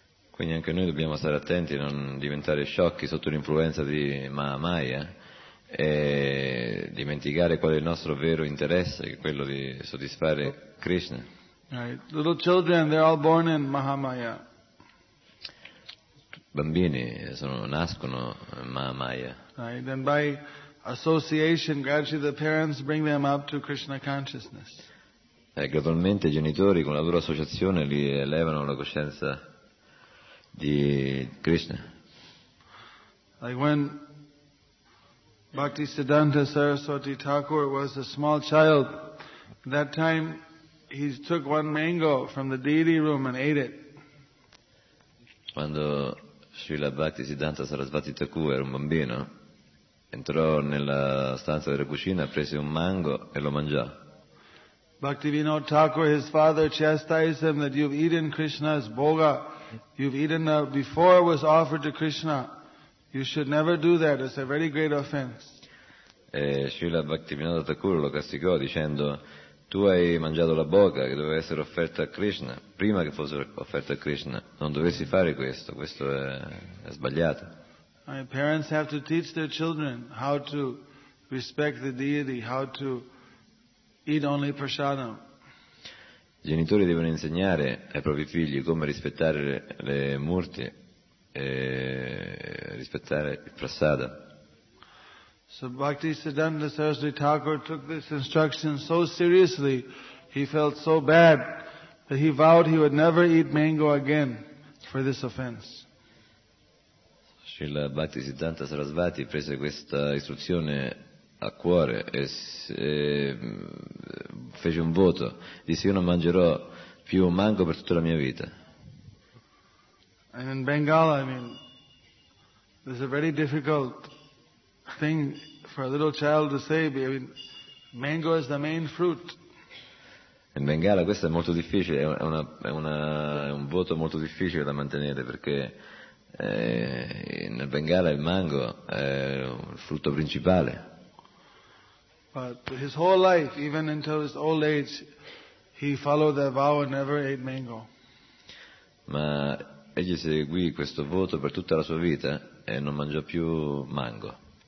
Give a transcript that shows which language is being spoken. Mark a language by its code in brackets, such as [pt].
[it] Quindi anche noi dobbiamo stare attenti a non diventare sciocchi sotto l'influenza di Mahamaya e dimenticare qual è il nostro vero interesse, che è quello di soddisfare Krishna. [en] Right. Little children, they're all born in Mahamaya. [it] bambini sono, nascono Mahamaya. [en] Right, and by association, gradually the parents bring them up to Krishna consciousness. [it] E gradualmente i genitori con la loro associazione li elevano alla coscienza di Krishna. [en] Like when Bhaktisiddhanta Saraswati Thakur was a small child, that time he took one mango from the deity room and ate it. [it] Quando Srila Bhaktisiddhanta Saraswati Thakur era un bambino, entrò nella stanza della cucina, prese un mango e lo mangiò. [en] Bhaktivinoda Thakur, his father, chastised him that you've eaten Krishna's bhoga. You've eaten the, before it was offered to Krishna. You should never do that. It's a very great offense. [it] E Srila Bhaktivinoda Thakur lo castigò dicendo, tu hai mangiato la bhoga che doveva essere offerta a Krishna, prima che fosse offerta a Krishna. Non dovessi fare questo, questo è sbagliato. [en] My parents have to teach their children how to respect the deity, how to eat only prasadam. [it] I genitori devono insegnare ai propri figli come rispettare le murti e rispettare il prasada. [en] So Bhaktisiddhanta Saraswati Thakur took this instruction so seriously, he felt so bad that he vowed he would never eat mango again for this offense. [it] Srila Bhaktisiddhanta Saraswati prese questa istruzione a cuore e fece un voto, disse io non mangerò più un mango per tutta la mia vita. [en] And in Bengal, I mean, this is a very difficult thing for a little child to say. I mean, mango is the main fruit. [it] In Bengala questo è molto difficile, è un voto molto difficile da mantenere, perché nel Bengala il mango è il frutto principale. [en] But his whole life, even until his old age, he followed that vow and never ate mango. [it] Ma egli seguì questo voto per tutta la sua vita e non mangiò più mango.